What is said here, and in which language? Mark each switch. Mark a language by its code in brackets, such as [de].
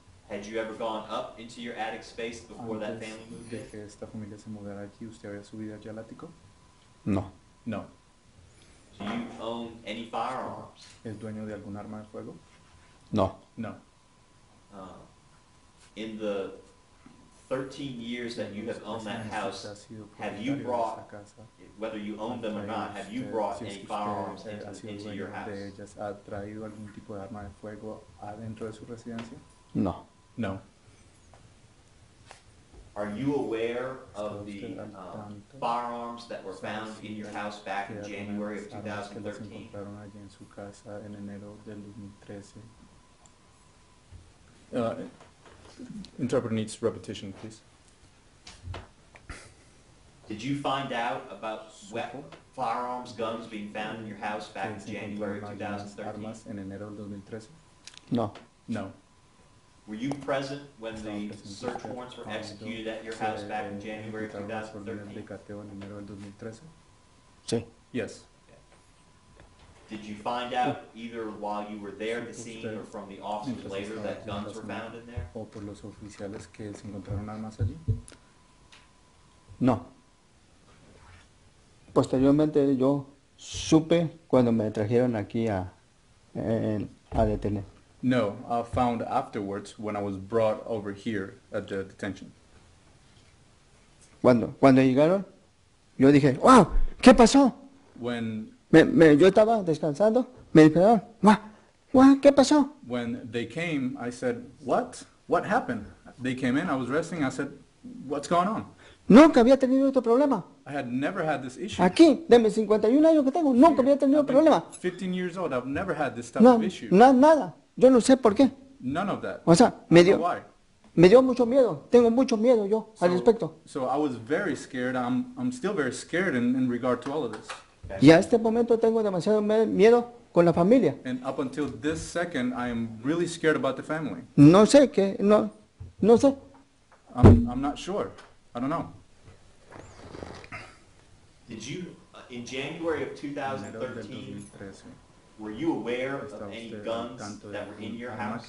[en] Had you ever gone up into your attic space before [es] antes [en] that family moved in? [es] De que esta familia se mudara aquí, ¿usted había subido allá al ático? No. [en] No. Do you own any firearms? [es] ¿Es dueño de algún arma de fuego? No. [en] No. In the 13 years that you have owned that house, have you brought, whether you own them or not, have you brought any firearms into your house? [es] De ellas, ¿ha traído algún tipo de arma de fuego adentro de su residencia? No. [en] No. Are you aware of the firearms that were found in your house back in January of 2013? Interpreter needs repetition, please. Did you find out about firearms, guns being found in your house back in January of 2013? [es] No. [en] No. Were you present when the search warrants were executed at your house back in January 2013? [es] Sí. [en] Yes. Did you find out either while you were there at the scene or from the officers later that guns were found in there? [es] ¿O por los oficiales que se encontraron armas allí? No. Posteriormente yo supe cuando me trajeron aquí a detener. [en] No, I found afterwards when I was brought over here at the detention. [es] Cuando llegaron, yo dije, wow, ¿qué pasó? [en] When [es] yo estaba descansando, me dijeron, wow, ¿qué pasó? [en] When they came, I said, what? What happened? They came in, I was resting, I said, what's going on? [es] Nunca había tenido este problema. [en] I had never had this issue. [es] Aquí, de mis 51 años que tengo, nunca había tenido problema. [en] 15 years old, I've never had this type [es] no, [en] of issue. [es] No, nada. Yo no sé por qué. [en] None of that. [es] O sea, me dio mucho miedo. Tengo mucho miedo yo al respecto. [en] So I was very scared. I'm still very scared in regard to all of this. [es] Y a este momento tengo demasiado miedo con la familia. [en] And up until this second, I am really scared about the family. [es] No sé qué. No sé. [en] I'm not sure. I don't know. Did you, in January of 2013, were you aware of any guns that were in your house?